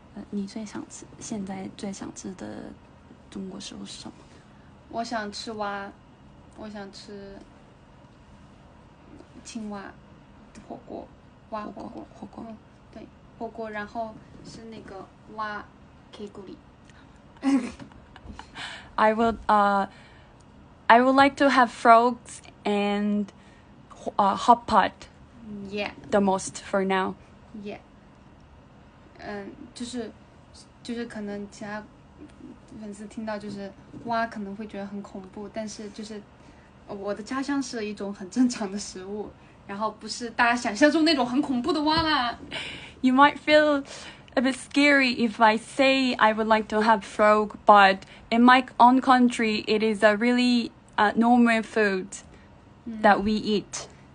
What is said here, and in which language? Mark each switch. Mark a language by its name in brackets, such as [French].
[Chinese] 你最想吃，现在最想吃的中国食物是什么？我想吃蛙，我想吃青蛙火锅，蛙火锅，火锅，嗯，对，火锅，然后是那个蛙开骨里。 [English] I will I would like to have frogs and hot pot. Yeah. The most for now. Yeah. [Chinese] 嗯，就是可能其他粉丝听到就是蛙可能会觉得很恐怖，但是就是我的家乡是一种很正常的食物，然后不是大家想象中那种很恐怖的蛙啦。 [English] You might feel a bit scary if I say I would like to have frog, but in my own country, it is a really normal food that we eat.